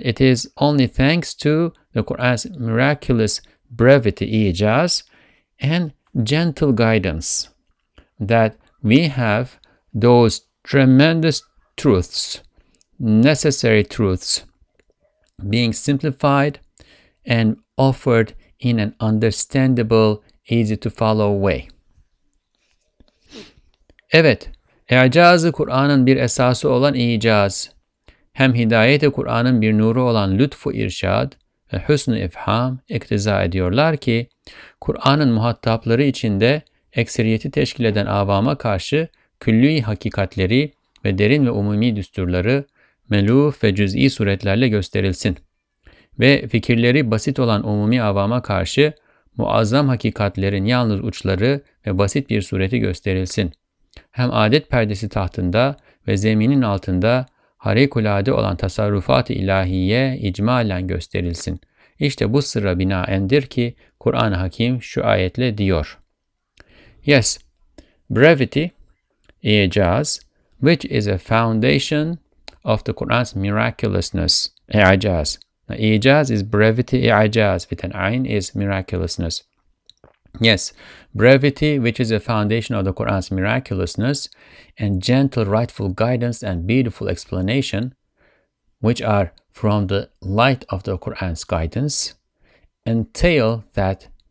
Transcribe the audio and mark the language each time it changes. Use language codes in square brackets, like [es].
[en] It is only thanks to the Quran's miraculous brevity, ijaz, and gentle guidance that we have those tremendous truths, necessary truths, being simplified and offered in an understandable, easy to follow way. [tr] Evet, i'caz-ı Kur'an'ın bir esası olan i'caz, hem hidayet-i Kur'an'ın bir nuru olan lütfu irşad hüsn-ü ifham iktiza ediyorlar ki, Kur'an'ın muhatapları içinde ekseriyeti teşkil eden avama karşı külli hakikatleri ve derin ve umumi düsturları meluf ve cüz'i suretlerle gösterilsin ve fikirleri basit olan umumi avama karşı muazzam hakikatlerin yalnız uçları ve basit bir sureti gösterilsin. Hem adet perdesi tahtında ve zeminin altında harikulade olan tasarrufat-ı ilahiye icmalen gösterilsin. İşte bu sırra binaendir ki Kur'an-ı Hakim şu ayetle diyor. [en] Yes, brevity, i'caz, which is a foundation of the Quran's miraculousness, i'caz. I'caz is brevity, i'caz, with an ayn is miraculousness. Yes, brevity, which is a foundation of the Quran's miraculousness, and gentle, rightful guidance and beautiful explanation, which are from the light of the Quran's guidance, entail that.